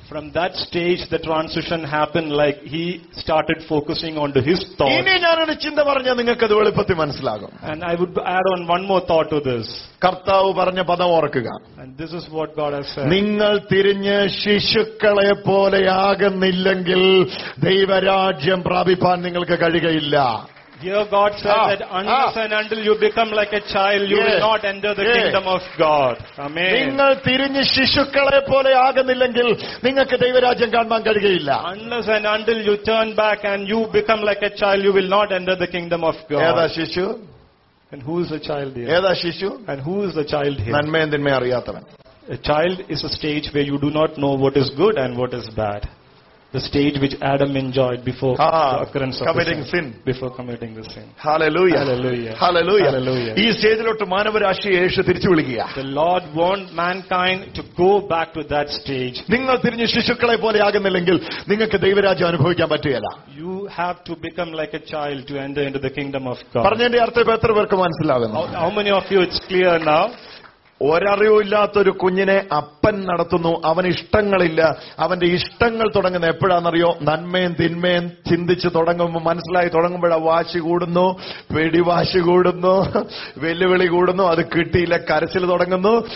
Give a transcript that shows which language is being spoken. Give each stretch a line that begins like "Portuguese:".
English: From that stage the transition happened, like he started focusing on his thought.
Malayalam: ഇനി ഞാനൊരു ചിന്ത പറഞ്ഞാൽ നിങ്ങൾക്ക് അത് എളുപ്പത്തിൽ മനസ്സിലാകും.
English: And I would add on one more thought to this.
Malayalam: കർത്താവ് പറഞ്ഞ പദം ഓർക്കുക.
English: And this is what God has said.
Malayalam: നിങ്ങൾ തിരിഞ്ഞ് ശിശുക്കളെ പോലെയാകുന്നില്ലെങ്കിൽ ദൈവരാജ്യം പ്രാപിപ്പാൻ നിങ്ങൾക്ക് കഴിയുകയില്ല.
English: Here God said that unless and until you become like a child, you will not enter the kingdom of God. Amen.
Malayalam: നിങ്ങൾ തിരിഞ്ഞ് ശിശുക്കളെ പോലെ ആകുന്നില്ലെങ്കിൽ നിങ്ങൾക്ക് ദൈവരാജ്യം കാണാൻ കഴിയില്ല.
English: Unless and until you turn back and you become like a child, you will not enter the kingdom of God.
Malayalam: ഏതാ ശിശു?
English: And who is the child here?
Malayalam: ഏതാ ശിശു?
English: And who is the child here?
Malayalam: നന്മയും തിന്മയും അറിയാത്തവൻ.
English: A child is a stage where you do not know what is good and what is bad. The stage which Adam enjoyed before the occurrence of committing the sin. Hallelujah. Hallelujah. Hallelujah. Hallelujah.
Malayalam: ഈ സ്റ്റേജിലോട്ട് മാനവരാശി യേശു തിരിച്ചു വിളിക്കുക.
English: The Lord warned mankind to go back to that stage.
Malayalam: നിങ്ങൾ തിരിഞ്ഞ് ശിശുക്കളെ പോലെ ആകുന്നില്ലെങ്കിൽ നിങ്ങൾക്ക് ദൈവരാജ്യം അനുഭവിക്കാൻ പറ്റുകയില്ല.
English: You have to become like a child to enter into the kingdom of God.
Malayalam: പറഞ്ഞതിന്റെ അർത്ഥം എത്ര പേർക്ക് മനസ്സിലാകുന്നു?
English: How many of you it's clear now?
Malayalam: ഒരറിവില്ലാത്തൊരു കുഞ്ഞിനെ അപ്പൻ നടത്തുന്നു. അവൻ ഇഷ്ടങ്ങളില്ല. അവന്റെ ഇഷ്ടങ്ങൾ തുടങ്ങുന്ന എപ്പോഴാണെന്നറിയോ? നന്മയും തിന്മയും ചിന്തിച്ച് തുടങ്ങുമ്പോൾ, മനസ്സിലായി തുടങ്ങുമ്പോഴാണ്. വാശി കൂടുന്നു, പിടിവാശി കൂടുന്നു, വെല്ലുവിളി കൂടുന്നു, അത് കിട്ടിയില്ല, കരച്ചിൽ തുടങ്ങുന്നു.